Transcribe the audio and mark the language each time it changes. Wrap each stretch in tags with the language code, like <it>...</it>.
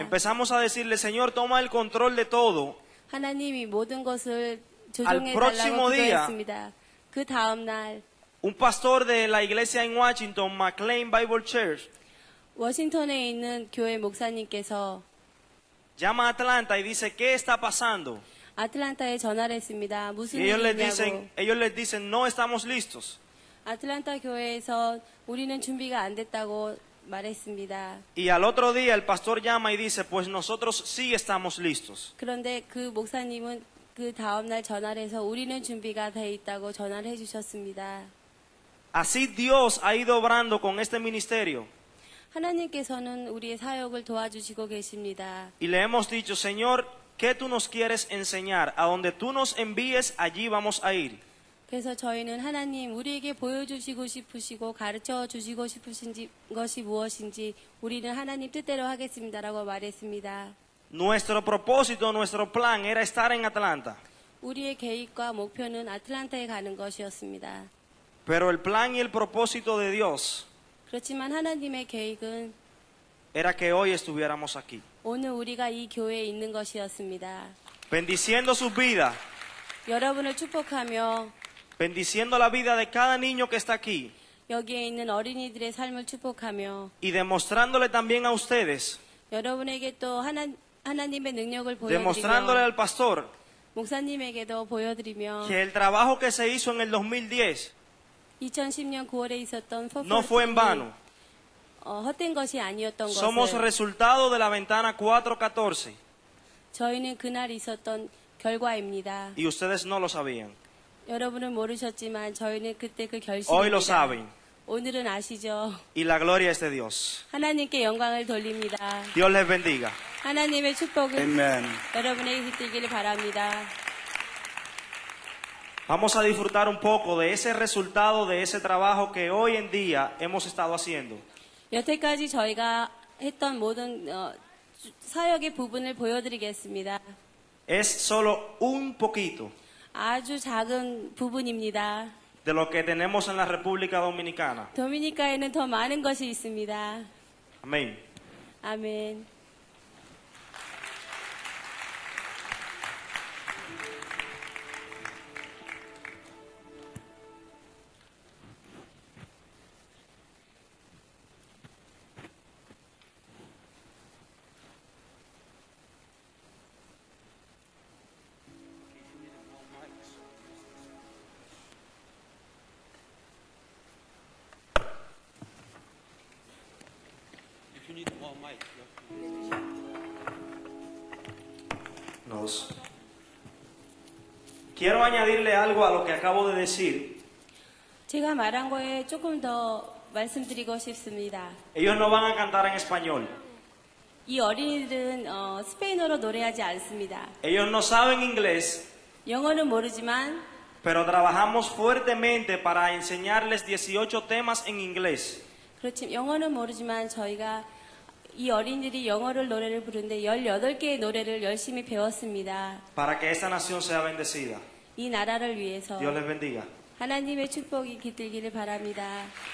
<es>Empezamos a decirle, Señor, toma el control de todo.</es> <ko>하나님이 모든 것을 조종해 달라고 기도했습니다. 그 다음 날</ko> <es>un pastor de la iglesia en Washington, McLean Bible Church.</es> <ko>워싱턴에 있는 교회 목사님께서</ko> <es>llama a Atlanta y dice, ¿qué está pasando?</es> <ko>아틀란타에 전화를 했습니다. 무슨</ko> <es>ellos ellos les dicen, ellos les dicen, no estamos listos.</es> <ko>아틀란타 교회에서 우리는 준비가 안 됐다고 말했습니다.</ko> <es>Y al otro día el pastor llama y dice, pues nosotros sí estamos listos.</es> <ko>그런데 그 목사님은 그 다음 날 전화를 해서 우리는 준비가 돼 있다고 전화를 해 주셨습니다.</ko> <es>Así Dios ha ido obrando con este ministerio.</es> <ko>하나님께서는 우리의 사역을 도와주시고 계십니다.</ko> <es>Y le hemos dicho, Señor, ¿qué tú nos quieres enseñar? A donde tú nos envíes, allí vamos a ir.</es> <ko>그래서 저희는 하나님 우리에게 보여주시고 싶으시고 가르쳐 주시고 싶으신 것이 무엇인지 우리는 하나님 뜻대로 하겠습니다라고 말했습니다.</ko> <es>Nuestro propósito, nuestro plan era estar en Atlanta.</es> <ko>우리의 계획과 목표는 아틀란타에 가는 것이었습니다.</ko> <es>Pero el plan y el propósito de Dios.</es> <ko>그렇지만 하나님의 계획은</ko> <es>era que hoy estuviéramos aquí.</es> <ko>오늘 우리가 이 교회에 있는 것이었습니다.</ko> <es>Bendiciendo su vida.</es> <ko>여러분을 축복하며</ko> <es>bendiciendo la vida de cada niño que está aquí.</es> <ko>여기에 있는 어린이들의 삶을 축복하며</ko> <es>y demostrándole también a ustedes.</es> <ko>여러분에게 또 하나님의 능력을 보여드리며</ko> <es>demostrándole al pastor.</es> <ko>목사님에게도 보여드리며</ko> <es>que el trabajo que se hizo en el 2010</es> <ko>2010년 9월에 있었던</ko> <es>no fue en vano.</es> <ko>헛된 것이 아니었던 것을</ko> <es>somos resultado de la ventana 414.</es> <ko>저희는 그날 있었던 결과입니다.</ko> <es>Y ustedes no lo sabían.</es> <ko>여러분은 모르셨지만 저희는 그때 그 결심을</ko> <es>Hoy lo saben.</es> <ko>오늘은 아시죠.</ko> <es>Y la gloria es de Dios.</es> <ko>하나님께 영광을 돌립니다.</ko> <es>Dios les bendiga.</es> <ko>하나님의 축복을 Amen. 여러분에게 있기를 바랍니다.</ko> <es>Vamos a disfrutar un poco de ese resultado de ese trabajo que hoy en día hemos estado haciendo.</es> <ko>여태까지 저희가 했던 모든 사역의 부분을 보여드리겠습니다.</ko> <es>Es solo un poquito.</es> <ko>아주 작은 부분입니다.</ko> <es>De lo que tenemos en la República Dominicana.</es> <ko>도미니카에는 더 많은 것이 있습니다.</ko> <es>Amén. Amén. Quiero añadirle algo a lo que acabo de decir.</es> <ko>제가 말한 거에 조금 더 말씀드리고 싶습니다.</ko> <es>Ellos no van a cantar en español.</es> <ko>이 어린이들은 스페인어로 노래하지 않습니다.</ko> <es>Ellos no saben inglés.</es> <ko>영어는 모르지만</ko> <es>pero trabajamos fuertemente para enseñarles 18 temas en inglés.</es> <ko>그렇지만 영어는 모르지만 저희가 이 어린이들이 영어를 노래를 부르는데 18개의 노래를 열심히 배웠습니다.</ko> <es>Para que esta nación sea bendecida.</es> <ko>이 나라를 위해서</ko> <es>Dios les bendiga.</es> <ko>하나님의 축복이 깃들기를 바랍니다.</ko>